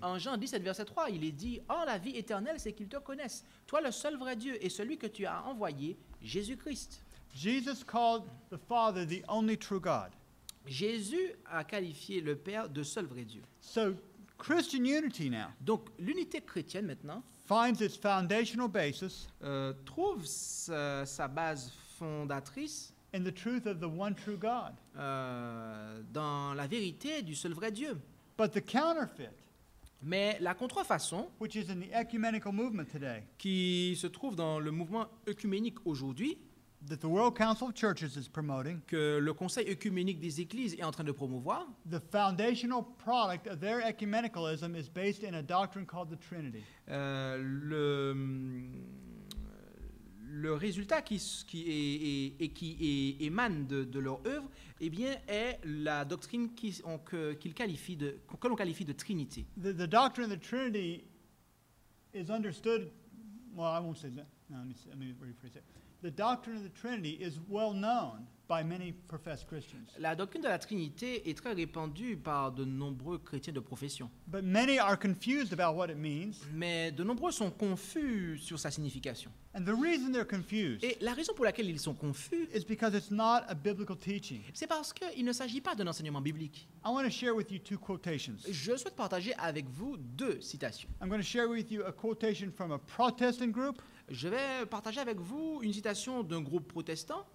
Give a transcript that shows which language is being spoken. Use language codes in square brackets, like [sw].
[fr] En Jean 17, verset 3, il est dit, « Or, la vie éternelle, c'est qu'ils te connaissent, toi le seul vrai Dieu, et celui que tu as envoyé, Jésus-Christ. » [en] Jesus called the Father the only true God. [fr] Jésus a qualifié le Père de seul vrai Dieu. [en] So, Christian unity now. [fr] Donc, l'unité chrétienne maintenant. [en] Finds its foundational basis. [fr] Trouve sa base fondatrice. [en] In the truth of the one true God. [fr] Dans la vérité du seul vrai Dieu. [en] But the counterfeit. [fr] Mais la contrefaçon. [en] Which is in the ecumenical movement today. [fr] Qui se trouve dans le mouvement œcuménique aujourd'hui. [en] That the World Council of Churches is promoting, [fr] que le Conseil œcuménique des Églises est en train de promouvoir, [en] the foundational product of their ecumenicalism is based in a doctrine called the Trinity. [fr] Le résultat qui émane de leur œuvre, eh bien, est la doctrine que l'on qualifie de Trinité. [en] The doctrine of the Trinity is understood. Well, I won't say that. No, let me rephrase it. The doctrine of the Trinity is well known. by many professed Christians. [fr] La doctrine de la Trinité est très répandue par de nombreux chrétiens de profession. [en] But many are confused about what it means. [fr] Mais de nombreux sont confus sur sa signification. [en] And the reason they're confused. [fr] Et la raison pour laquelle ils sont confus. [en] Is because it's not a biblical teaching. [fr] C'est parce qu'il ne s'agit pas d'un enseignement biblique. [en] I want to share with you two quotations. [fr] Je souhaite partager avec vous deux citations. [en] I'm going to share with you a quotation from a Protestant group. [fr] Je vais partager avec vous une citation d'un groupe protestant